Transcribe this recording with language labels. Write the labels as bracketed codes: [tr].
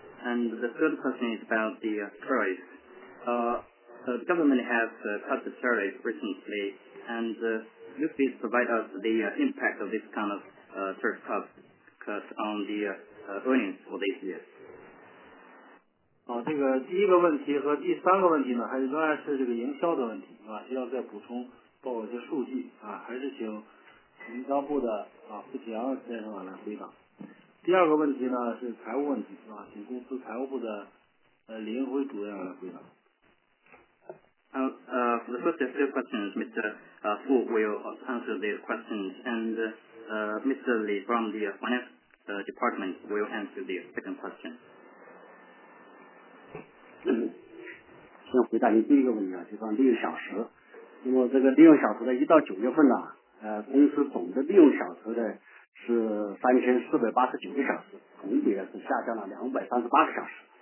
[en] And the third question is about the tariffs. The government has cut the tariffs recently, and could you please provide us the impact of this kind of tariff cut on the earnings for this year? [zh] 这个第一个问题和第三个问题呢，还是仍然是这个营销的问题，是吧？需要再补充报告一些数据啊，还是请营销部的付启阳先生来回答。第二个问题呢是财务问题，是吧？请公司财务部的李英辉主任来回答。 [en] For the first three questions, Mr. Fu will answer the questions, and Mr. Li from the finance department will answer the second question. [zh] 先回答您第一个问题啊，就算利用小时。那么这个利用小时的一到九月份呢，公司总的利用小时的是3489个小时，同比呢是下降了238个小时。